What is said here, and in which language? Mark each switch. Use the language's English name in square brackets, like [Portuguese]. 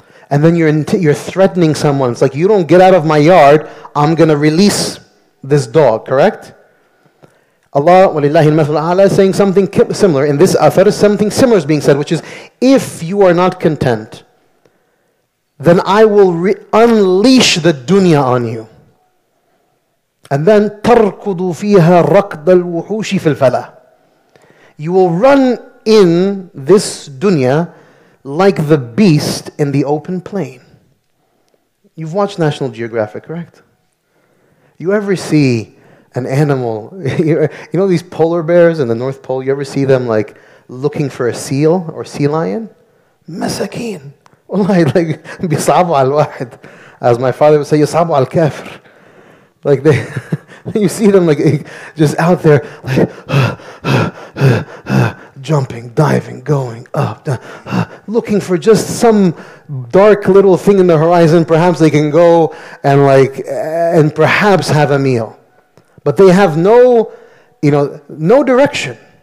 [English] And then you're threatening someone. It's like, you don't get out of my yard, I'm going to release this dog, correct? Allah, [Arabic] وَلِلَّهِ الْمَثَلُ الْأَعْلَى, [English] is saying something similar. In this athar, something similar is being said, which is, if you are not content, then I will unleash the dunya on you. [Arabic] And then تَرْكُضُ فِيهَا رَقْدَ الْوُحُوشِ فِي الْفَلَى. [English] You will run in this dunya like the beast in the open plain. You've watched National Geographic, correct? You ever see an animal, you know these polar bears in the North Pole, you ever see them like looking for a seal or sea lion? [Arabic] مَسَكِين. [English] Like [Arabic] بِصَعْبُ عَلْ الْوَاحِد. [English] As my father would say, [Arabic] يَصَعْبُ عَلْ الْكَافِر. [English] Like they, you see them like just out there, like jumping, diving, going up, down, looking for just some dark little thing in the horizon. Perhaps they can go and like, and perhaps have a meal, but they have no, you know, no direction.